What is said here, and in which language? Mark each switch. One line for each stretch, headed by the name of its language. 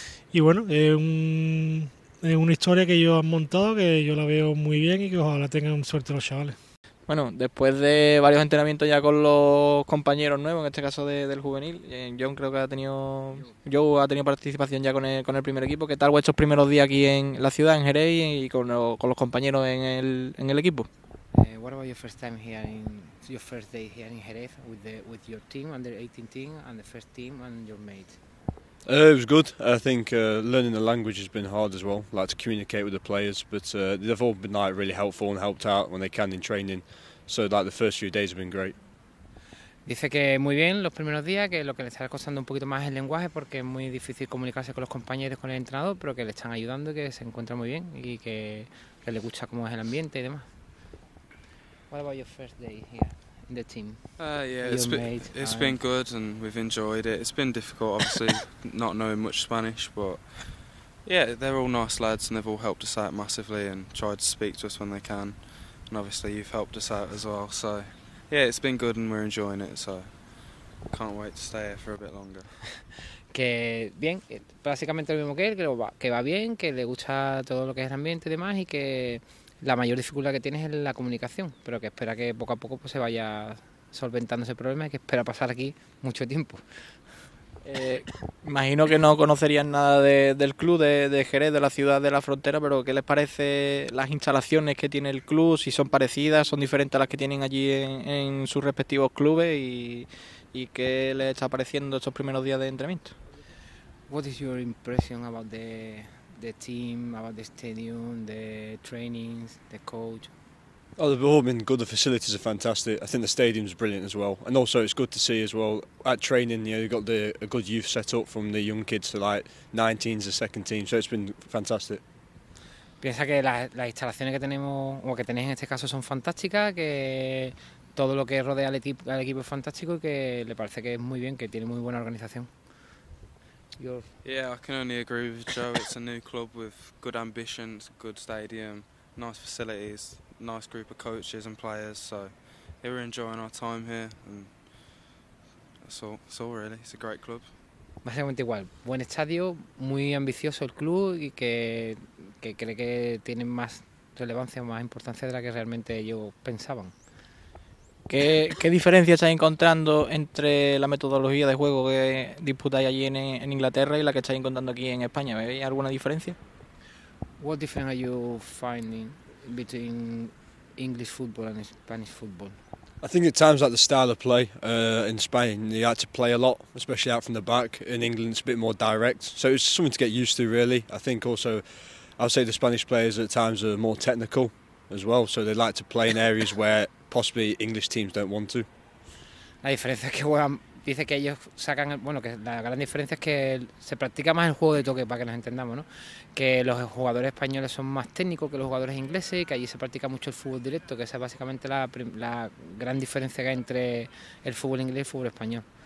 Spanish: Y bueno, es una historia que ellos han montado, que yo la veo muy bien y que ojalá tengan suerte los chavales. Bueno, después de varios entrenamientos ya con los compañeros nuevos, en este caso del juvenil, John creo que ha tenido participación ya con el primer equipo. ¿Qué tal vuestros primeros días aquí en la ciudad, en Jerez, y con los compañeros en el equipo?
English: What about your first time here your first day here in Jerez with your team, under 18 team, and the first team and your mates? It was good. I think learning the language has been hard as well, like to communicate with the players, but they've all been like really helpful and helped out when they can in training, so like the first few days have been great.
Spanish: Dice que muy bien los primeros días, que lo que le está costando un poquito más es el lenguaje, porque es muy difícil comunicarse con los compañeros, con el entrenador, pero que le están ayudando y que se encuentra muy bien y que le gusta cómo es el ambiente y demás.
English: What about your first day here? The team. It's been good, and we've enjoyed it. It's been difficult, obviously, not knowing much Spanish, but yeah, they're all nice lads, and they've all helped us out massively, and tried to speak to us when they can. And obviously, you've helped us out as well. So, yeah, it's been good, and we're enjoying it. So, can't wait to stay here for a bit longer.
Spanish: Que bien, básicamente lo mismo que él, que va bien, que le gusta todo lo que es el ambiente y demás, y que la mayor dificultad que tiene es la comunicación, pero que espera que poco a poco pues se vaya solventando ese problema y que espera pasar aquí mucho tiempo. Imagino que no conocerían nada del club de Jerez, de la ciudad de la frontera, pero ¿qué les parece las instalaciones que tiene el club? Si son parecidas, son diferentes a las que tienen allí en sus respectivos clubes, y ¿qué les está pareciendo estos primeros días de entrenamiento?
English: What is your impression about the team, about the stadium, the trainings, the coach? Oh, they've all been good. The facilities are fantastic. I think the stadium's brilliant as well. And also it's good to see as well, at training, you know, you've got a good youth set up from the young kids to like 19s, the second team. So it's been fantastic.
Spanish: Piensa que las instalaciones que tenemos, o que tenéis en este caso, son fantásticas, que todo lo que rodea al equipo es fantástico y que le parece que es muy bien, que tiene muy buena organización.
English: Yeah, I can only agree with Joe. It's a new club with good ambitions, good stadium, nice facilities, nice group of coaches and players. So, yeah, we're enjoying our time here, and that's all really. It's a great club.
Spanish: Básicamente igual. Buen estadio, muy ambicioso el club y que cree que tiene más relevancia, más importancia de la que realmente ellos pensaban. ¿Qué diferencia estáis encontrando entre la metodología de juego que disputáis allí en Inglaterra y la que estáis encontrando aquí en España? ¿Veis alguna diferencia?
English: What difference are you finding between English football and Spanish football? I think at times like the style of play in Spain, you had to play a lot, especially out from the back. In England, it's a bit more direct, so it's something to get used to, really. I think also, I'd say the Spanish players at times are more technical as well, so they like to play in areas where possibly English teams don't want to.
Spanish: La diferencia es que juegan, dice que ellos sacan, bueno, que la gran diferencia es que se practica más el juego de toque, para que nos entendamos, ¿no? Que los jugadores españoles son más técnicos que los jugadores ingleses y que allí se practica mucho el fútbol directo, que esa es básicamente la gran diferencia que hay entre el fútbol inglés y el fútbol español.